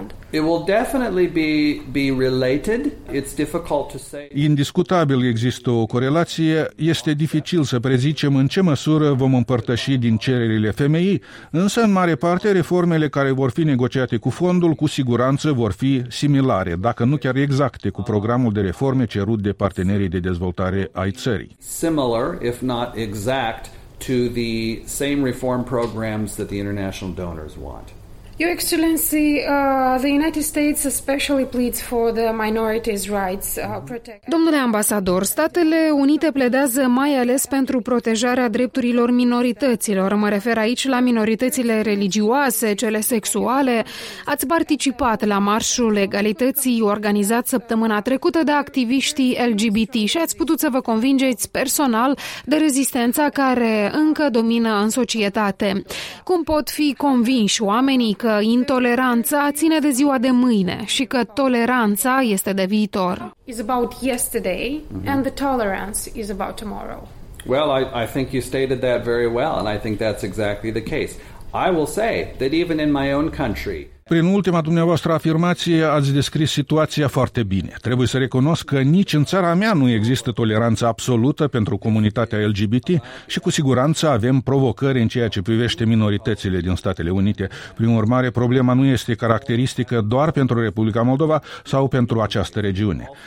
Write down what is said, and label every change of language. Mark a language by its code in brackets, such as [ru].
[en] It will definitely be related. It's difficult to say. [ro] Indiscutabil există o corelație, este dificil să prezicem în ce măsură vom împărtăși din cererile FMI, însă în mare parte reformele care vor fi negociate cu fondul, cu siguranță vor fi similare, dacă nu chiar exacte, cu programul de reforme cerut de partenerii de dezvoltare ai țării. [en] Similar, if not exact, to the same reform programs that the international donors want. Your Excellency, the United States especially pleads for the minorities' rights protection. [ro] Domnule ambasador, Statele Unite pledează mai ales pentru protejarea drepturilor minorităților. Mă refer aici la minoritățile religioase, cele sexuale. Ați participat la Marșul Egalității organizat săptămâna trecută de activiștii LGBT și ați putut să vă convingeți personal de rezistența care încă domină în societate. Cum pot fi convinși oamenii că intoleranța ține de ziua de mâine și că toleranța este de viitor? [en] It's about yesterday and the tolerance is about tomorrow. Well, I think you stated that very well and I think that's exactly the case. I will say that even in my own country. [ro] Prin ultima dumneavoastră afirmație ați descris situația foarte bine. Trebuie să recunosc că nici în țara mea nu există toleranță absolută pentru comunitatea LGBT și cu siguranță avem provocări în ceea ce privește minoritățile din Statele Unite. Prin urmare, problema nu este caracteristică doar pentru Republica Moldova sau pentru această regiune.